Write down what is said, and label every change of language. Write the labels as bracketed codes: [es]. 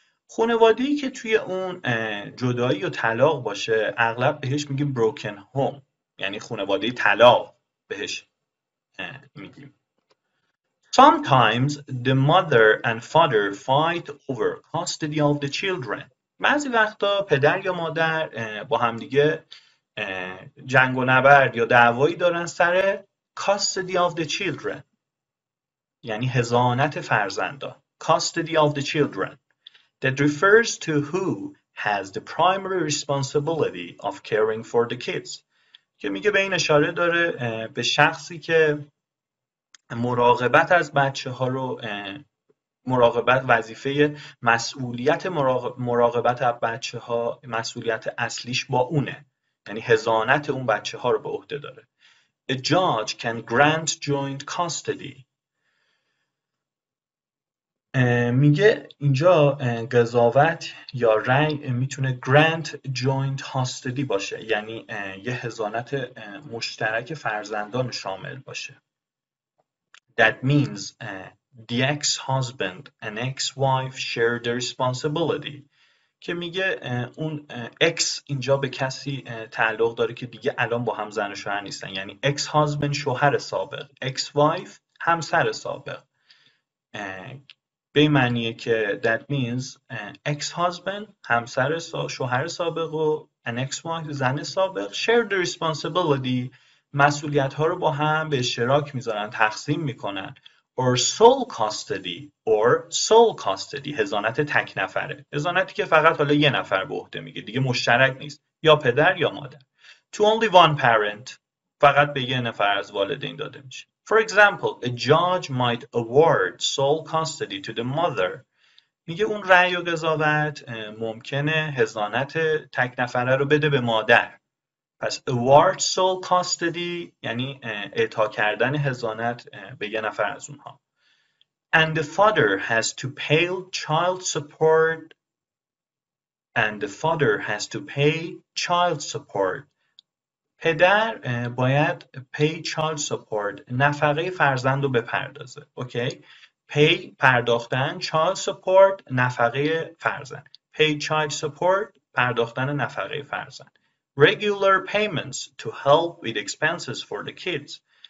[fa] خانواده‌ای که توی اون جدایی و طلاق باشه اغلب بهش میگیم broken home، یعنی خانواده طلاق بهش میگیم. [en] Sometimes the mother and father fight over custody of the children. [fa] بعضی وقتا پدر یا مادر با همدیگه جنگ و نبرد یا دعوایی دارن سر [en] custody of the children، [fa] یعنی حضانت فرزندان. [en] custody of the children that refers to who has the primary responsibility of caring for the kids، [fa] که میگه به این اشاره داره به شخصی که مراقبت از بچه ها رو، مراقبت وظیفه مسئولیت مراقبت از بچه ها، مسئولیت اصلیش با اونه، یعنی حضانت اون بچه ها رو به عهده داره. [en] A judge can grant joint custody. [fa] میگه اینجا قضاوت یا رأی میتونه [en] grant joint custody [fa] باشه، یعنی یه حضانت مشترک فرزندان شامل باشه. [en] That means the ex-husband and ex-wife share the responsibility، [fa] که میگه اون اکس اینجا به کسی تعلق داره که دیگه الان با هم زن و شوهر نیستن، یعنی ex-husband شوهر سابق، ex-wife همسر سابق، به معنیه که [en] that means ex-husband [fa] همسر شوهر سابق و [en] an ex-wife [fa] زن سابق [en] share the responsibility، [fa] مسئولیت ها رو با هم به اشتراک میذارن، تقسیم میکنن. [en] or sole custody or sole custody، [fa] حضانت تک نفره، حضانتی که فقط حالا یه نفر به عهده میگه دیگه، مشترک نیست، یا پدر یا مادر. [en] To only one parent، [fa] فقط به یه نفر از والدین داده میشه. [en] For example a judge might award sole custody to the mother. [fa] میگه اون رأی و قضاوت ممکنه حضانت تک نفره رو بده به مادر. پس [en] award sole custody [fa] یعنی اعطا کردن حضانت به یه نفر از اونها. [en] And the father has to pay child support. And the father has to pay child support. [fa] پدر باید [en] pay child support، [fa] نفقه فرزند رو بپردازه. اوکی؟ pay پرداختن، child support نفقه فرزند. [en] pay child support [fa] پرداختن نفقه فرزند. [en] Regular payments to help with expenses for the kids.